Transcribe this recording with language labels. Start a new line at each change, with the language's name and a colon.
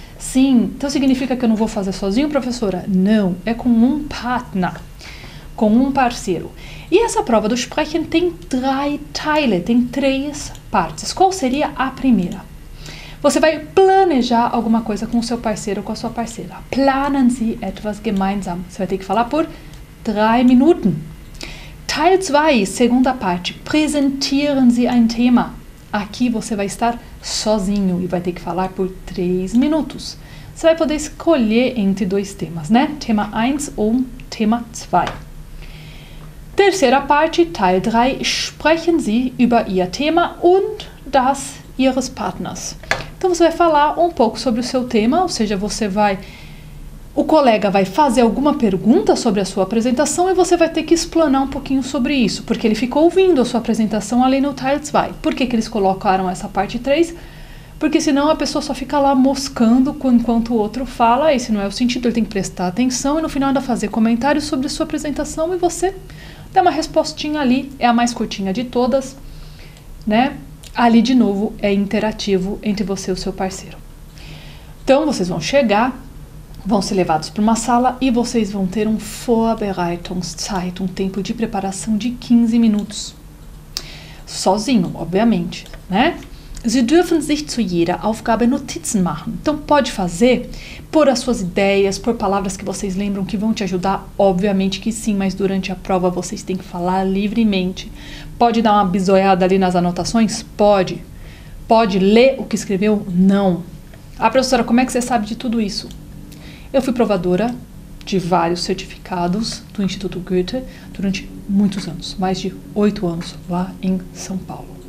Portuguese: Sim, então significa que eu não vou fazer sozinho, professora? Não, é com um partner. Com um parceiro. E essa prova do Sprechen tem
German: drei Teile,
Portuguese: tem três partes. Qual seria a primeira? Você vai planejar alguma coisa com o seu parceiro ou com a sua parceira.
German: Planen Sie etwas gemeinsam.
Portuguese: Você vai ter que falar por 3 minutos. Teil 2, segunda parte.
German: Präsentieren Sie ein Thema.
Portuguese: Aqui você vai estar sozinho e vai ter que falar por 3 minutos. Você vai poder escolher entre dois temas, né? Tema 1 ou tema 2. Terceira parte,
German: Teil 3, sprechen Sie über Ihr Thema und das Ihres Partners.
Portuguese: Então você vai falar um pouco sobre o seu tema, ou seja, o colega vai fazer alguma pergunta sobre a sua apresentação e você vai ter que explanar um pouquinho sobre isso, porque ele ficou ouvindo a sua apresentação ali no Teil 2. Por que que eles colocaram essa parte 3? Porque senão a pessoa só fica lá moscando enquanto o outro fala, esse não é o sentido, ele tem que prestar atenção e no final ainda fazer comentários sobre a sua apresentação e você dá uma respostinha ali, é a mais curtinha de todas, né? Ali de novo é interativo entre você e o seu parceiro. Então vocês vão chegar, vão ser levados para uma sala e vocês vão ter um Vorbereitungszeit, um tempo de preparação de 15 minutos. Sozinho, obviamente, né?
German: Sie dürfen sich zu jeder Aufgabe Notizen machen.
Portuguese: Então pode fazer, pôr as suas ideias, pôr palavras que vocês lembram que vão te ajudar, obviamente que sim, mas durante a prova vocês têm que falar livremente. Pode dar uma bisoiada ali nas anotações? Pode. Pode ler o que escreveu? Não. Ah, professora, como é que você sabe de tudo isso? Eu fui provadora de vários certificados do Instituto Goethe durante muitos anos, mais de 8 anos lá em São Paulo.